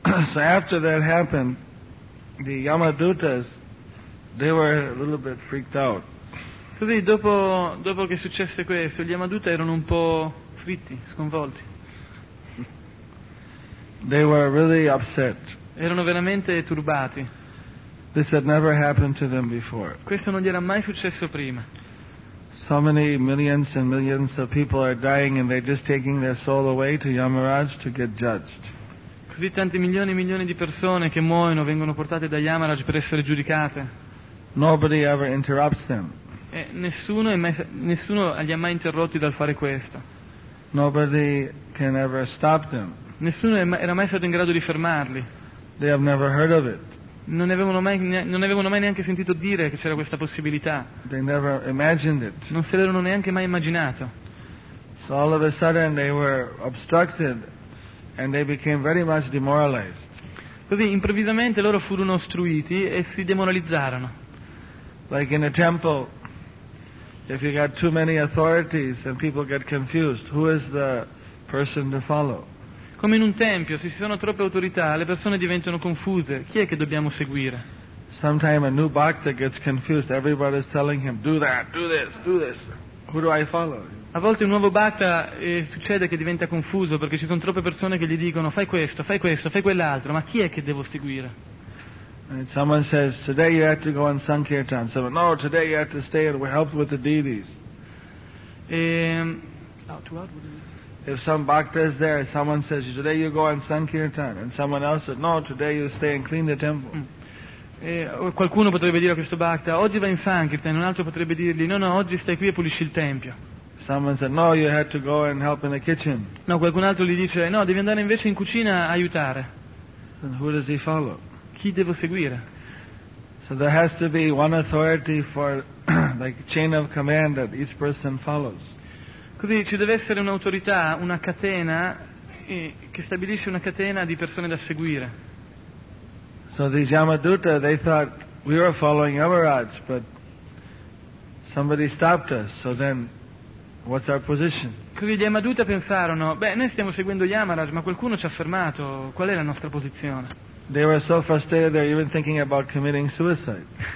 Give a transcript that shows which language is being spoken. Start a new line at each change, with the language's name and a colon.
English: So after that happened, the Yamadutas, they were a little bit freaked out.
Italian: Così dopo che successe questo, gli Yamaduta erano un po' fritti, sconvolti.
English: They were really upset.
Italian: Erano veramente turbati.
English: This had never happened to them before.
Italian: Questo non gli era mai successo prima.
English: So many millions and millions of people are dying and they're just taking their soul away to Yamaraj to get judged.
Italian: Così tanti milioni e milioni di persone che muoiono vengono portate da Yamaraj per essere giudicate.
English: Nobody ever interrupts them.
Italian: E nessuno li ha mai interrotti dal fare questo.
English: Nobody can ever stop them.
Italian: Nessuno era mai stato in grado di fermarli.
English: They have never heard of it.
Italian: Non avevano mai neanche sentito dire che c'era questa possibilità.
English: They never imagined it.
Italian: Non se l'erano neanche mai immaginato.
English: So all of a sudden they were obstructed and they became very much demoralized.
Italian: Così improvvisamente loro furono ostruiti e si demoralizzarono.
English: Like in a temple, if you got too many authorities and people get confused, who is the person to follow?
Italian: Come in un tempio, se ci sono troppe autorità, le persone diventano confuse. Chi è che dobbiamo seguire?
English: Sometimes a new bhakta gets confused. Everybody is telling him, do that, do this, do this. Who do I follow?
Italian: A volte un nuovo bhakta succede che diventa confuso perché ci sono troppe persone che gli dicono fai questo, fai questo, fai quell'altro, ma chi è che devo seguire?
English: And someone says, today you have to go on Sankirtan. Someone, no, today you have to stay and help with the deities. If some bhakta is there, someone says, today you go on Sankirtan. And someone else says, no, today you stay and clean the temple.
Italian: Qualcuno potrebbe dire a questo bhakta, oggi vai in Sankirtan. Un altro potrebbe dirgli, no, oggi stai qui e pulisci il tempio.
English: Someone said, no, you had to go and help in the kitchen.
Italian: No, qualcun altro gli dice, no, devi andare invece in cucina a aiutare.
English: And who does he follow?
Italian: Chi devo seguire?
English: So there has to be one authority for like chain of command that each person follows.
Italian: Così ci deve essere un'autorità, una catena che stabilisce una catena di persone da seguire.
English: So these Yamaduta, they thought we were following Yamaraj, but somebody stopped us. So then, what's our position?
Italian: Così gli Yamaduta pensarono, noi stiamo seguendo Yamaraj, ma qualcuno ci ha fermato. Qual è la nostra posizione?
English: They were so frustrated they were even thinking about committing suicide.